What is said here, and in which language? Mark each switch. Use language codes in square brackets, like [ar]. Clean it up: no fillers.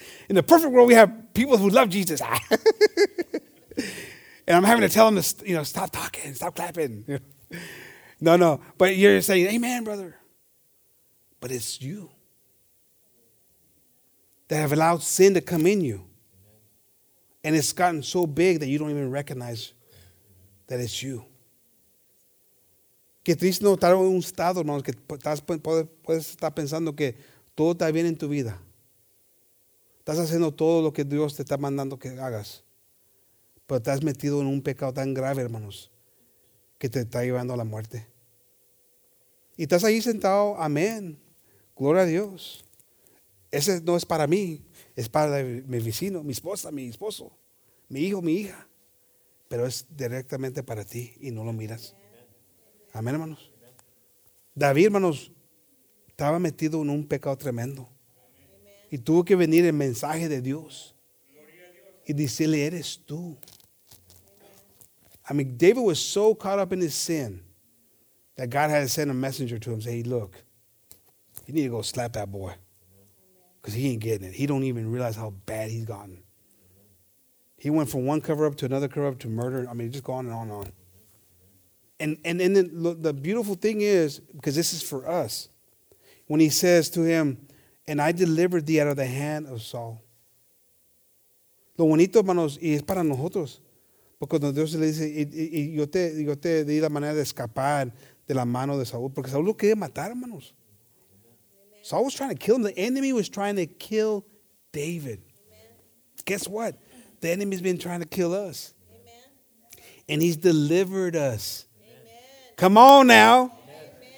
[en] In the perfect world, we have people who love Jesus. And I'm having to tell them to, stop talking, stop clapping. No. But you're saying, amen, brother. But it's you that have allowed sin to come in you. And it's gotten so big that you don't even recognize that it's you. [es] Qué triste no estar en un estado, hermanos, que puedes estar pensando que todo está bien en tu vida. Estás haciendo todo lo que Dios te está mandando que hagas. Pero estás metido en un pecado tan grave, hermanos, que te está llevando a la muerte. Y estás ahí sentado, amén, gloria a Dios. Ese no es para mí. es para mi vecino, mi esposa, mi esposo, mi hijo, mi hija. Pero es directamente para ti y no lo miras. Amén, hermanos. David, hermanos, estaba metido en un pecado tremendo. Y tuvo que venir el mensaje de Dios. Y decirle, eres tú. [en] I mean, David was so caught up in his sin that God had to send a messenger to him and say, hey, look, you need to go slap that boy. Because he ain't getting it. He don't even realize how bad he's gotten. He went from one cover-up to another cover-up to murder. I mean, just go on and on and on. And then look, the beautiful thing is, because this is for us, when he says to him, and I delivered thee out of the hand of Saul. [es] Lo bonito, hermanos, y es para nosotros. Porque cuando Dios le dice, yo te di la manera de escapar de la mano de Saúl. Porque Saúl lo quería matar, hermanos. [en] Saul was trying to kill him. The enemy was trying to kill David. Amen. Guess what? The enemy's been trying to kill us. Amen. And he's delivered us. Amen. Come on now. Amen.